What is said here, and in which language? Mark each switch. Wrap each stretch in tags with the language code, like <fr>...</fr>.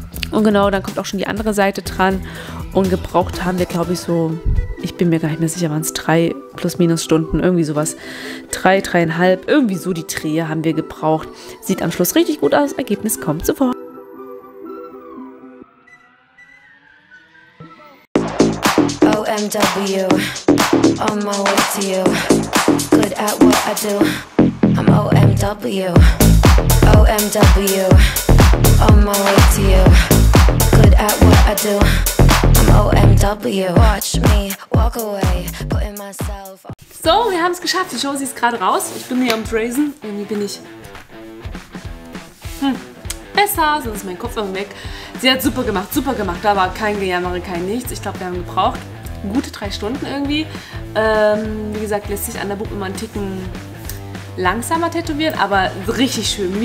<de>Und genau, dann kommt auch schon die andere Seite dran und gebraucht haben wir, glaube ich, so, ich bin mir gar nicht mehr sicher, waren es 3 plus minus Stunden, irgendwie sowas, 3, 3,5, irgendwie so die Drehe haben wir gebraucht. Sieht am Schluss richtig gut aus, Ergebnis kommt sofort.</de> <en>OMW, on my way to you, good at what I do, I'm OMW, OMW, on my way to you. Good at what I do, I'm OMW. Watch me walk away, putting myself.</en> <de>So, wir haben es geschafft. Die Josie ist gerade raus. Ich bin hier am Drazen. Irgendwie bin ich besser, sonst ist mein Kopf immer weg. Sie hat super gemacht, super gemacht. Da war kein Gejammer, kein Nichts. Ich glaube, wir haben gebraucht gute 3 Stunden irgendwie. Wie gesagt, lässt sich an der Bub immer einen Ticken langsamer tätowieren, aber richtig schön.</de>